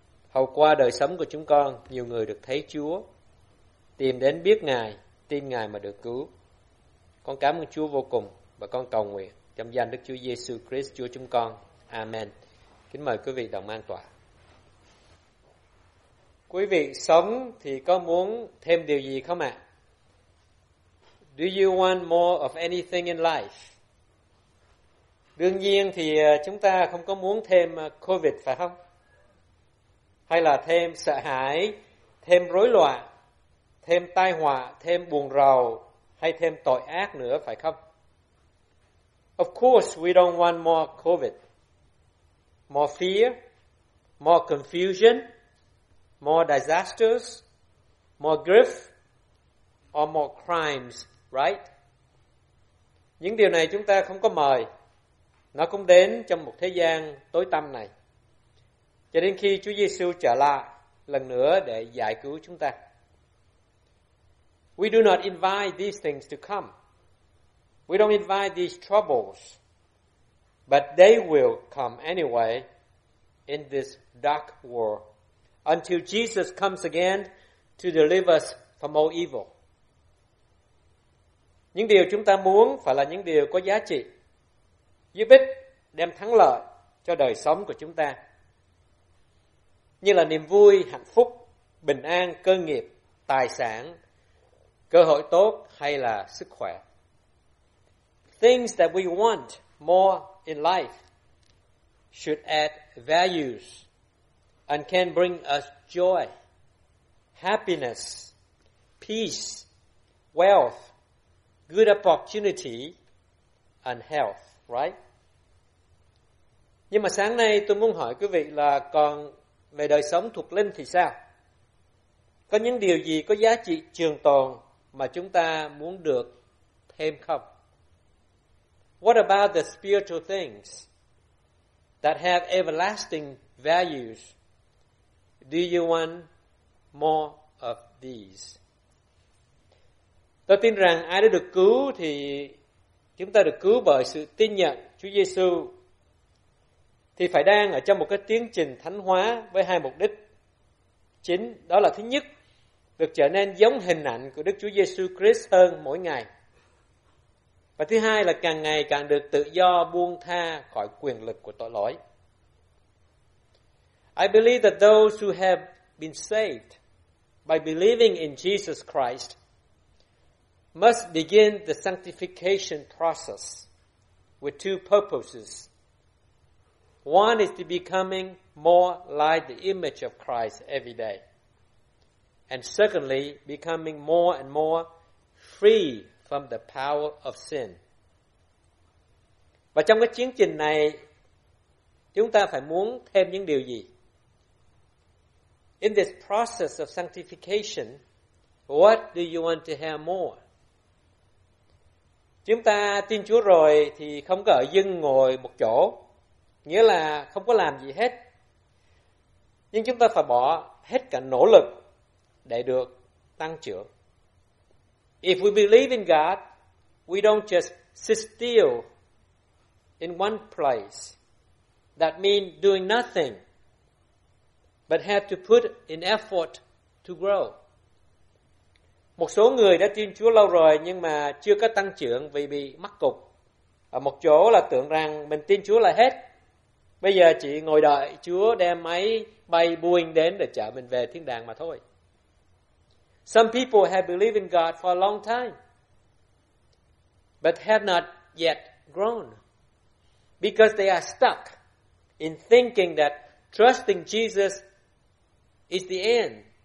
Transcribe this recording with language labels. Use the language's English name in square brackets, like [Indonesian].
[Vietnamese] Hầu qua đời sống của chúng con, nhiều người được thấy Chúa, tìm đến biết Ngài, tin Ngài mà được cứu. Con cảm ơn Chúa vô cùng và con cầu nguyện trong danh Đức Chúa Giêsu Christ Chúa chúng con. Amen. Kính mời quý vị đồng an tọa. Quý vị sống thì có muốn thêm điều gì không ạ? [English] Do you want more of anything in life? [Vietnamese] Đương nhiên thì chúng ta không có muốn thêm COVID phải không? Hay là thêm sợ hãi, thêm rối loạn, thêm tai họa, thêm buồn rầu, hay thêm tội ác nữa, phải không? [English] Of course, we don't want more COVID, more fear, more confusion, more disasters, more grief, or more crimes, right? [Vietnamese] Những điều này chúng ta không có mời, nó cũng đến trong một thế gian tối tăm này, cho đến khi Chúa Giêsu trở lại lần nữa để giải cứu chúng ta. [English] We do not invite these things to come. We don't invite these troubles, but they will come anyway in this dark world until Jesus comes again to deliver us from all evil. [Vietnamese] Những điều chúng ta muốn phải là những điều có giá trị, giúp ích, đem thắng lợi cho đời sống của chúng ta, như là niềm vui, hạnh phúc, bình an, cơ nghiệp, tài sản, cơ hội tốt hay là sức khỏe. [English] Things that we want more in life should add values and can bring us joy, happiness, peace, wealth, good opportunity, and health, right? [Vietnamese] Nhưng mà sáng nay tôi muốn hỏi quý vị là còn về đời sống thuộc linh thì sao? Có những điều gì có giá trị trường tồn mà chúng ta muốn được thêm không? [English] What about the spiritual things that have everlasting values? Do you want more of these? [Vietnamese] Tôi tin rằng ai đã được cứu thì chúng ta được cứu bởi sự tin nhận Chúa Giêsu, thì phải đang ở trong một cái tiến trình thánh hóa với hai mục đích chính. Đó là thứ nhất, được trở nên giống hình ảnh của Đức Chúa Giêsu Christ hơn mỗi ngày. Và thứ hai là càng ngày càng được tự do buông tha khỏi quyền lực của tội lỗi. [English] I believe that those who have been saved by believing in Jesus Christ must begin the sanctification process with two purposes. One is to becoming more like the image of Christ every day. And secondly, becoming more and more free from the power of sin. [Vietnamese] Và trong cái chiến trình này, chúng ta phải muốn thêm những điều gì? [English] In this process of sanctification, what do you want to have more? [Vietnamese] Chúng ta tin Chúa rồi thì không có ở dưng ngồi một chỗ, nghĩa là không có làm gì hết. Nhưng chúng ta phải bỏ hết cả nỗ lực để được tăng trưởng. [English] If we believe in God, we don't just sit still in one place. That means doing nothing, but have to put in effort to grow. [Vietnamese] Một số người đã tin Chúa lâu rồi nhưng mà chưa có tăng trưởng vì bị mắc cục. Ở một chỗ là tưởng rằng mình tin Chúa là hết. Bây giờ chỉ ngồi đợi Chúa đem máy bay Boeing đến để chở mình về thiên đàng mà thôi. [English] Some people have believed in God for a long time, but have not yet grown because they are stuck in thinking that trusting Jesus is the end.